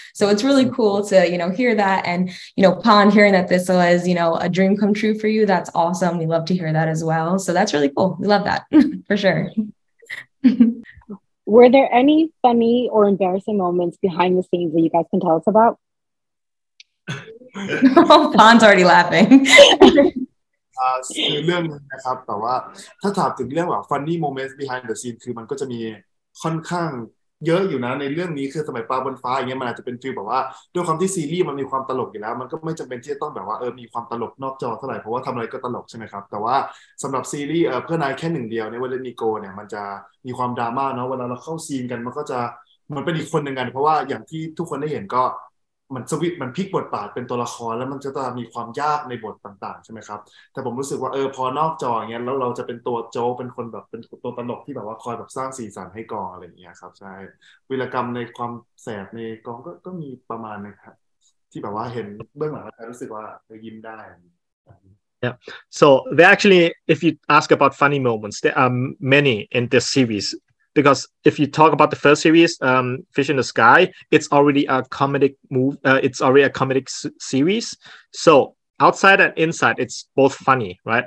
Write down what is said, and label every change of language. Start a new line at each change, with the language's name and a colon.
English: So it's really cool to, you know, hear that. And, you know, Pond hearing that this was, you know, a dream come true for you. That's awesome. We love to hear that as well. So that's really cool. We love that for sure. Were there any funny or embarrassing moments behind the scenes that you guys can tell us about? Pond's already laughing.
Thai: คือเรื่องนึงนะครับแต่ว่าถ้าถามถึงเรื่องแบบ
English: funny moments behind the scene
Thai: คือมันก็จะมีค่อนข้างเยอะอยู่นะในเรื่องนี้คือสมัยปลาบนฟ้าอย่างเงี้ยมันอาจจะเป็นฟีลแบบว่าด้วยความที่ซีรีส์มันมีความตลกอยู่แล้วมันก็ไม่จำเป็นที่จะต้องแบบว่ามีความตลกนอกจอเท่าไหร่เพราะว่าทำอะไรก็ตลกใช่ไหมครับแต่ว่าสำหรับซีรีส์เพื่อนายแค่หนึ่งเดียวในวันเล่นนิโกเนี่ยมันจะมีความดราม่าเนาะเวลาเราเข้าซีนกันมันก็จะมันเป็นอีกคนหนึ่งกันเพราะว่าอย่างที่ทุกคนได้เห็นก็ มันสวิตมันพลิกบทบาทเป็นตัวละครแล้วมันจะต้องมีความยากในบทต่างๆใช่ไหมครับแต่ผมรู้สึกว่าพอนอกจออย่างเงี้ยแล้วเราจะเป็นตัวโจ๊กเป็นคนแบบเป็นตัวตลกที่แบบว่าคอยแบบสร้างสีสันให้กองอะไรอย่างเงี้ยครับใช่วีรกรรมในความแสบในกองก็มีประมาณนะครับที่แบบว่าเห็นเบื้องหลังแล้วรู้สึกว่ายิ้มได้
English: Yeah. So they actually, if you ask about funny moments, there are many in this series. Because if you talk about the first series, Fish in the Sky, it's already a comedic move. It's already a comedic series. So outside and inside, it's both funny, right?